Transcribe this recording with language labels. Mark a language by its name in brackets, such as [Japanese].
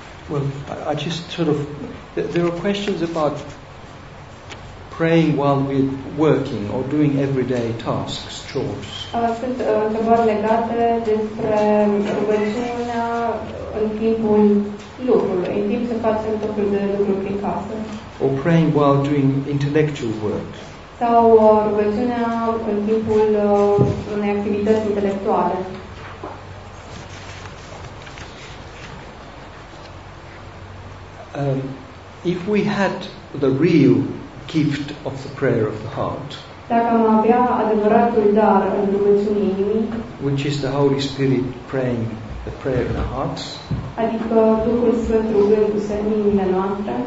[English] Well, I just sort of, there are questions about praying while we're working or doing everyday tasks, chores. [Romanian] Sunt întrebări legate despre rugăciunea în timpul lucrului, în timp ce facem tot felul de lucruri prin casă. [English] Or praying while doing intellectual work. [Romanian] Sau rugăciunea în timpul unei activități intelectuale. [English] If we had the real gift of the prayer of the heart, [Romanian] dacă am avea adevăratul dar în rugăciunii inimii, [English] which is the Holy Spirit praying the prayer in our hearts, [Romanian] adică Duhul Sfânt rugându-se în inimile noastre,